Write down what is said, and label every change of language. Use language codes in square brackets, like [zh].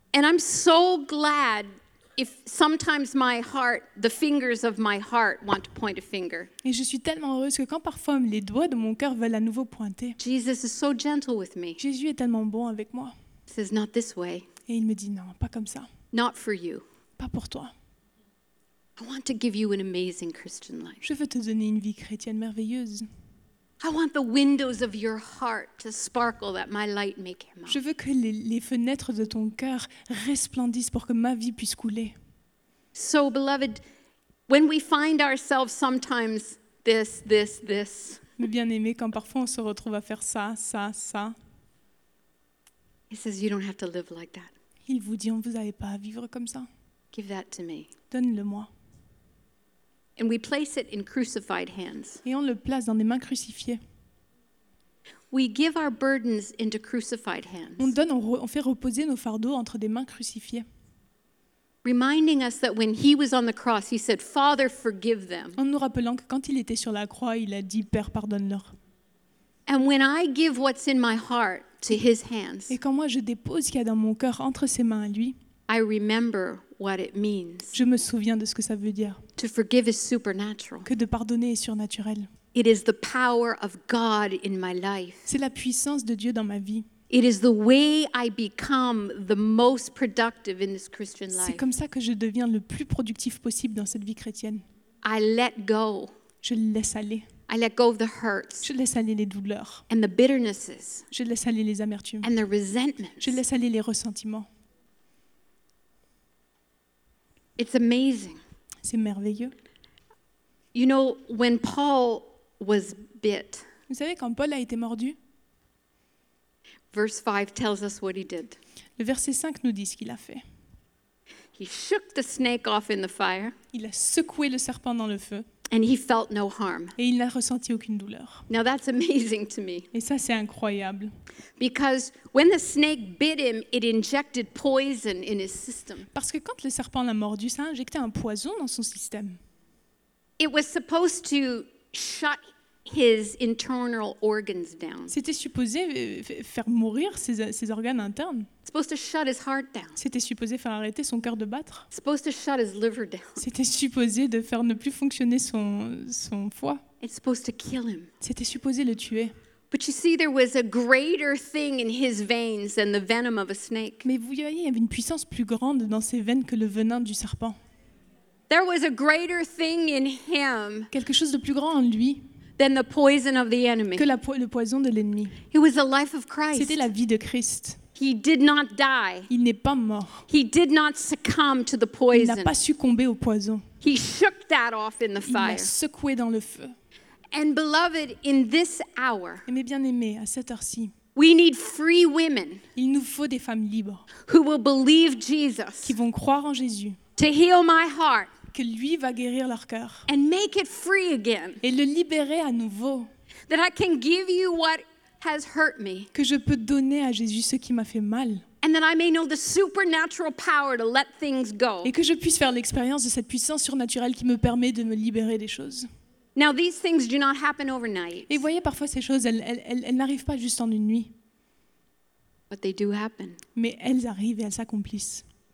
[en] And I'm so glad if sometimes my heart, the fingers of my heart want to point a finger. [fr] Et je suis tellement heureuse que quand parfois les doigts de mon cœur veulent à nouveau pointer. [en] Jesus is so gentle with me. [fr] Jésus est tellement bon avec moi. [en] He says not this way. [fr] Et il me dit non, pas comme ça. [en] Not for you. [fr] Pas pour toi. [en] I want to give you an amazing Christian life. [fr] Je veux te donner une vie chrétienne merveilleuse. [en] I want the windows of your heart to sparkle that my light may come out. [fr] Je veux que les fenêtres de ton cœur resplendissent pour que ma vie puisse couler. [en] So beloved, when we find ourselves sometimes this. [fr] Mes bien-aimés, quand parfois on se retrouve à faire ça. [en] He says you don't have to live like that. [fr] Il vous dit on vous avez pas à vivre comme ça. [en] Give that to me. [fr] Donne-le-moi. [en] And we place it in crucified hands. [fr] Et on le place dans des mains crucifiées. [en] We give our burdens into crucified hands. [fr] On fait reposer nos fardeaux entre des mains crucifiées. [en] Reminding us that when he was on the cross, he said, "Father, forgive them." [fr] En nous rappelant que quand il était sur la croix, il a dit, Père, pardonne-leur. [en] And when I give what's in my heart to his hands. [fr] Et quand moi je dépose ce qu'il y a dans mon cœur entre ses mains à lui. [en] I remember what it means. [fr] Je me souviens de ce que ça veut dire. [en] To forgive is supernatural. [fr] Que de pardonner est surnaturel. [en] It is the power of God in my life. [fr] C'est la puissance de Dieu dans ma vie. [en] It is the way I become the most productive in this Christian life. [fr] C'est comme ça que je deviens le plus productif possible dans cette vie chrétienne. [en] I let go. [fr] Je laisse aller. [en] I let go of the hurts. [fr] Je laisse aller les douleurs. [en] And the bitternesses. [fr] Je laisse aller les amertumes. [en] And the resentments. [fr] Je laisse aller les ressentiments. [en] It's amazing. [fr] C'est merveilleux. [en] You know, when Paul was bit. [fr] Vous savez, quand Paul a été mordu. [en] Verse 5 tells us what he did. [fr] Le verset 5 nous dit ce qu'il a fait. [en] He shook the snake off in the fire. [fr] Il a secoué le serpent dans le feu. [en] And he felt no harm. [fr] Et il n'a ressenti aucune douleur. [en] Now that's amazing to me. [fr] Et ça, c'est incroyable. [en] Because when the snake bit him, it injected poison in his system. [fr] Parce que quand le serpent l'a mordu, ça a injecté un poison dans son système. [en] It was supposed to shut his internal organs down. [fr] C'était supposé faire mourir ses organes internes. [en] It's supposed to shut his heart down. [fr] C'était supposé faire arrêter son cœur de battre. [en] It's supposed to shut his liver down. [fr] C'était supposé de faire ne plus fonctionner son foie. [en] It's supposed to kill him. [fr] C'était supposé le tuer. [en] But you see, there was a greater thing in his veins than the venom of a snake. [fr] Mais vous voyez, il y avait une puissance plus grande dans ses veines que le venin du serpent. [en] There was a greater thing in him. [fr] Quelque chose de plus grand en lui. [en] Than the poison of the enemy. [fr] Que le poison de l'ennemi. [en] It was the life of Christ. [fr] C'était la vie de Christ. [en] He did not die. [fr] Il n'est pas mort. [en] He did not succumb to the poison. [fr] Il n'a pas succombé au poison. [en] He shook that off in the fire. [fr] Il l'a secoué dans le feu. [en] And beloved, in this hour. [fr] Et mes bien-aimés, à cette heure-ci. [en] We need free women. [fr] Il nous faut des femmes libres. [en] Who will believe Jesus. [fr] Qui vont croire en Jésus. [en] To heal my heart. [fr] Que lui va guérir leur cœur. [en] And make it free again. [fr] Et le libérer à nouveau. [en] That I can give you what has hurt me. [fr] Que je peux donner à Jésus ce qui m'a fait mal. [en] And that I may know the supernatural power to let things go. [fr] Et que je puisse faire l'expérience de cette puissance surnaturelle qui me permet de me libérer des choses. [en] Now these things do not happen overnight. [fr] Et voyez, parfois ces choses elles n'arrivent pas juste en une nuit. [en] But they do happen. [fr] Mais elles arrivent et elles s'accomplissent.